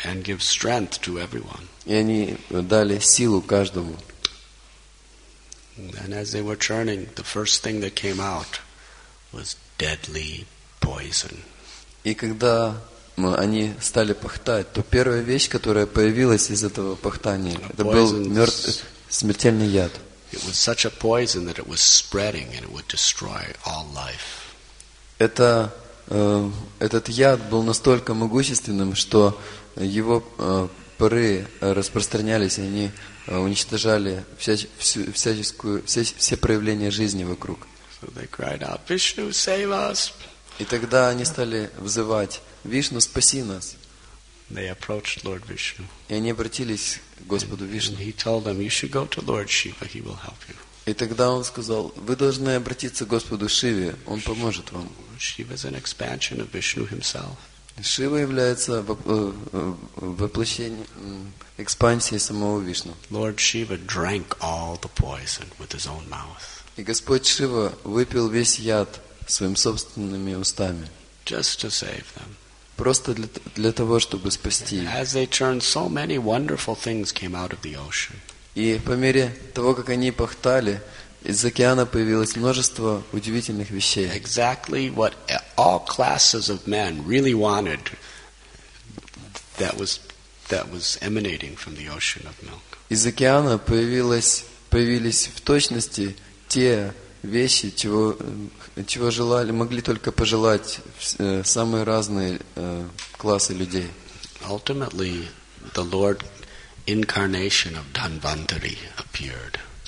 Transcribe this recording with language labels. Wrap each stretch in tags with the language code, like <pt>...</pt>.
<en>And give strength to everyone.</en> <ru>И они дали силу каждому.</ru> <en>And as they were churning, the first thing that came out was deadly poison.</en> <ru>И когда они стали пахтать, то первая вещь, которая появилась из этого пахтания, это был смертельный яд.</ru> <en>It was such a poison that it was spreading and it would destroy all life.</en> <ru>Это этот яд был настолько могущественным, что его пары распространялись, и они уничтожали все проявления жизни вокруг.</ru> <en>So they cried out, Vishnu, save us.</en> <ru>И тогда они стали взывать, Вишну, спаси нас.</ru> <en>They approached Lord Vishnu.</en> <ru>И они обратились к Господу Вишну.</ru> <en>And he told them, you should go to Lord Shiva, he will help you.</en> <ru>И тогда он сказал, вы должны обратиться к Господу Шиве, он поможет вам.</ru> <en>Shiva is an expansion of Vishnu himself.</en> <ru>Шива является воплощением экспансии самого Вишну.</ru> <en>Lord Shiva drank all the poison with his own mouth.</en> <ru>И Господь Шива выпил весь яд своими собственными устами.</ru> <en>Just to save them.</en> <ru>Просто для того, чтобы спасти.</ru> <en>As they turned, so many wonderful things came out of the ocean.</en> <ru>И по мере того, как они пахтали, из океана появилось множество удивительных вещей.</ru> <en>Exactly what all classes of men really wanted that was emanating from the ocean of milk.</en> <ru>Из океана появились в точности те вещи, чего желали, могли только пожелать самые разные классы людей.</ru> <en>Ultimately, the Lord incarnation of Dhanvantari appeared.</en>